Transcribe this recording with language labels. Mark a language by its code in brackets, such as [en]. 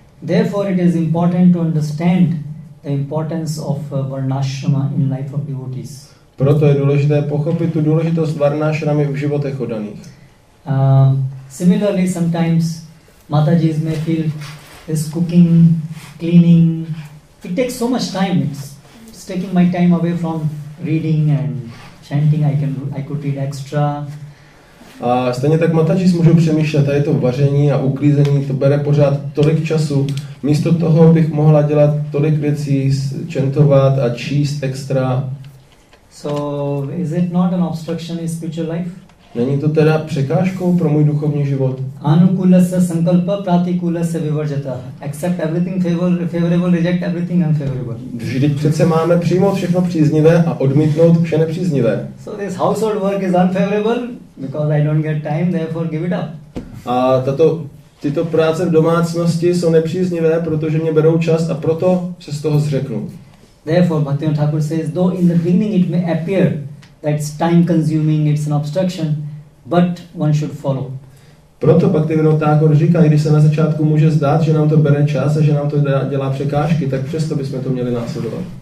[en] Therefore it is important to understand the importance of varnashrama in life of devotees. [cs] Proto je důležité pochopit tu důležitost varnášrami v životech oddaných. [en] Similarly, sometimes Mataji may feel this cooking, cleaning, it takes so much time. It's taking my time away from reading and chanting. I could read extra. [cs] A stejně tak Mataji můžou přemýšlet, a je to vaření a uklízení, to bere pořád tolik času. Místo toho bych mohla dělat tolik věcí, čentovat a číst extra. [en] So is it not an obstruction in spiritual life? [cs] Není to teda překážkou pro můj duchovní život? [sa] Anukulasya sankalpa pratikulasya vivarjata. [en] Accept everything favorable, reject everything unfavorable. [cs] Vždyť přece máme přijmout všechno příznivé a odmítnout vše nepříznivé. [en] So this household work is unfavorable because I don't get time, therefore give it up. [cs] A tyto práce v domácnosti jsou nepříznivé, protože mě berou čas a proto se z toho zřeknu. [en] Therefore, Bhaktivinoda Thakur says, though in the beginning it may appear that it's time-consuming, it's an obstruction, but one should follow. [cs] Proto Bhaktivinoda Thakur říká, když se na začátku může zdát, že nám to bere čas a že nám to dělá překážky, tak přesto bychom to měli následovat.